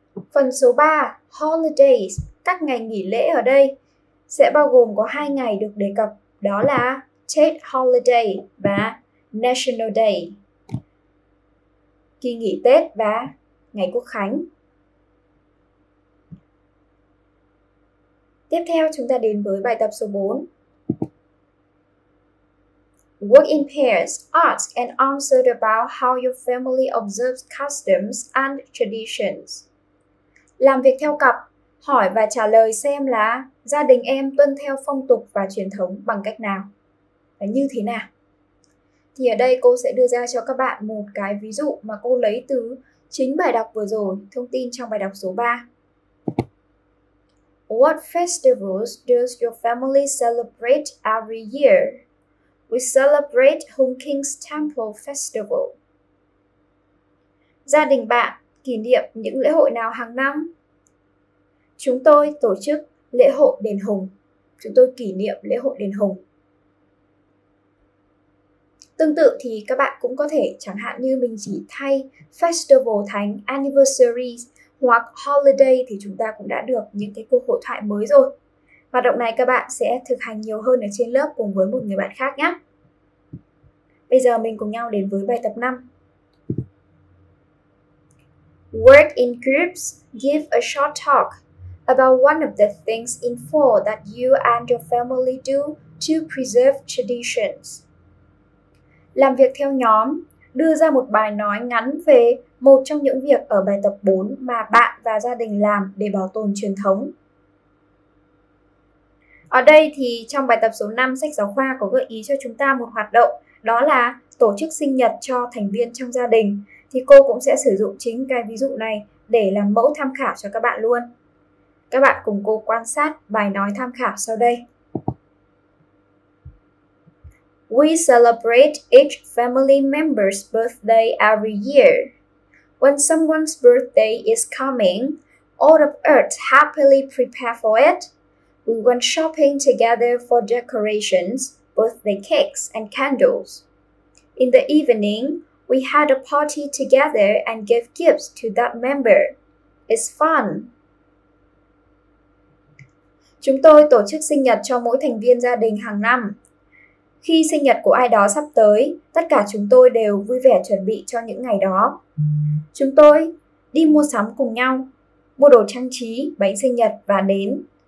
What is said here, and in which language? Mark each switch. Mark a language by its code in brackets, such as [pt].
[vi] Phần số 3, Holidays, các ngày nghỉ lễ ở đây sẽ bao gồm có hai ngày được đề cập, đó là Tết Holiday và National Day, kỳ nghỉ Tết và ngày Quốc Khánh. Tiếp theo chúng ta đến với bài tập số 4. [en] Work in pairs, ask and answer about how your family observes customs and traditions. [vi] Làm việc theo cặp, hỏi và trả lời xem là gia đình em tuân theo phong tục và truyền thống bằng cách nào và như thế nào. Thì ở đây cô sẽ đưa ra cho các bạn một cái ví dụ mà cô lấy từ chính bài đọc vừa rồi, thông tin trong bài đọc số 3. [en] What festivals does your family celebrate every year? We celebrate Hung King's Temple Festival. [vi] Gia đình bạn kỷ niệm những lễ hội nào hàng năm? Chúng tôi tổ chức lễ hội Đền Hùng. Chúng tôi kỷ niệm lễ hội Đền Hùng. Tương tự thì các bạn cũng có thể, chẳng hạn như mình chỉ thay festival thành anniversaries hoặc holiday thì chúng ta cũng đã được những cái cuộc hội thoại mới rồi. Hoạt động này các bạn sẽ thực hành nhiều hơn ở trên lớp cùng với một người bạn khác nhé. Bây giờ mình cùng nhau đến với bài tập 5. Work in groups, give a short talk about one of the things in four that you and your family do to preserve traditions. Làm việc theo nhóm, đưa ra một bài nói ngắn về một trong những việc ở bài tập 4 mà bạn và gia đình làm để bảo tồn truyền thống. Ở đây thì trong bài tập số 5, sách giáo khoa có gợi ý cho chúng ta một hoạt động, đó là tổ chức sinh nhật cho thành viên trong gia đình. Thì cô cũng sẽ sử dụng chính cái ví dụ này để làm mẫu tham khảo cho các bạn luôn. Các bạn cùng cô quan sát bài nói tham khảo sau đây. [en] We celebrate each family member's birthday every year. When someone's birthday is coming, all of us happily prepare for it. We went shopping together for decorations, birthday cakes and candles. In the evening, we had a party together and gave gifts to that member. It's fun. [vi] Chúng tôi tổ chức sinh nhật cho mỗi thành viên gia đình hàng năm. Khi sinh nhật của ai đó sắp tới, tất cả chúng tôi đều vui vẻ chuẩn bị cho những ngày đó. Chúng tôi đi mua sắm cùng nhau, mua đồ trang trí, bánh sinh nhật và nến.